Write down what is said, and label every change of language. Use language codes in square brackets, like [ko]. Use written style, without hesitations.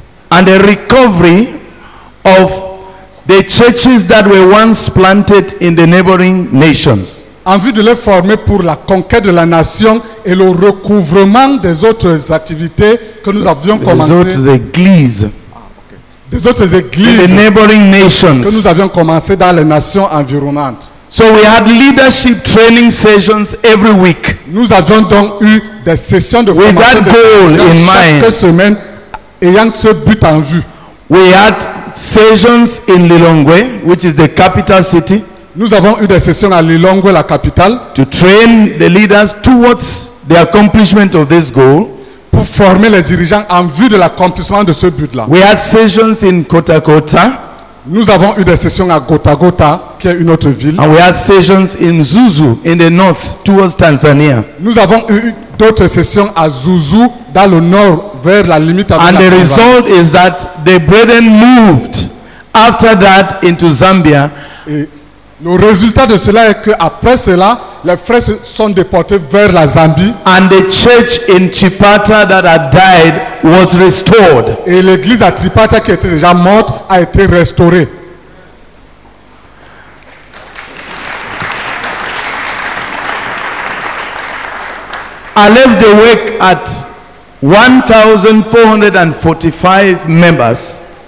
[en] and the recovery of the churches that were once planted in the neighboring nations. [fr] En vue de les former pour la conquête de la nation et le recouvrement des autres activités que nous avions commencé. Des autres églises. Des autres églises. [en] The neighboring nations. [fr] Que nous avions commencé dans les nations environnantes. [en] So we had leadership training sessions every week. [fr] Nous avions donc eu des sessions de formation. [en] With that goal in mind. [fr] Chaque semaine, ayant ce but en vue. [en] We had sessions in Lilongwe, which is the capital city. [fr] Nous avons eu des sessions à Lilongwe, la capitale, [en] to train the leaders towards the accomplishment of this goal. [fr] Pour former les dirigeants en vue de l'accomplissement de ce but-là. [en] We had sessions in Kota Kota. [fr] Nous avons eu des sessions à Kota Kota, qui est une autre ville. [en] And we had sessions in Zuzu, in the north, towards Tanzania. [fr] Nous avons eu d'autres sessions à Zuzu, dans le nord, vers la limite avec [en] And the province. Result is that the brethren moved after that into Zambia. [fr] Et le résultat de cela est que après cela, les frères se sont déportés vers la Zambie. [en] And the church in Chipata that had died was restored. [fr] Et l'église à Chipata qui était déjà morte a été restaurée. [en] I left the work at 1,445 members.